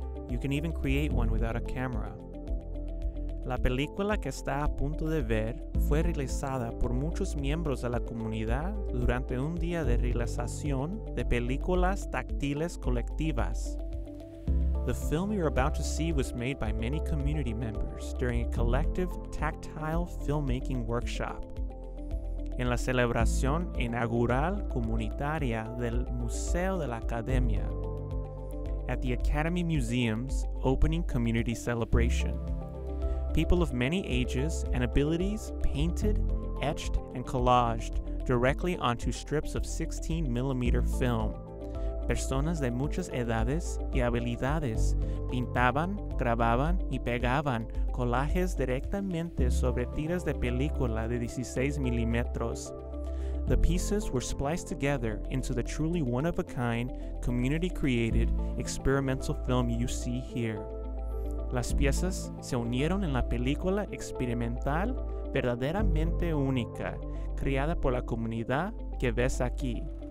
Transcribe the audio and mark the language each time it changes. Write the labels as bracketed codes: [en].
[en] You can even create one without a camera. [es] La película que está a punto de ver fue realizada por muchos miembros de la comunidad durante un día de realización de películas táctiles colectivas. [en] The film you're about to see was made by many community members during a collective tactile filmmaking workshop. [es] En la celebración inaugural comunitaria del Museo de la Academia. [en] At the Academy Museum's opening community celebration. People of many ages and abilities painted, etched, and collaged directly onto strips of 16mm film. [es] Personas de muchas edades y habilidades pintaban, grababan y pegaban collages directamente sobre tiras de película de 16mm. [en] The pieces were spliced together into the truly one-of-a-kind, community-created, experimental film you see here. [es] Las piezas se unieron en la película experimental verdaderamente única, creada por la comunidad que ves aquí.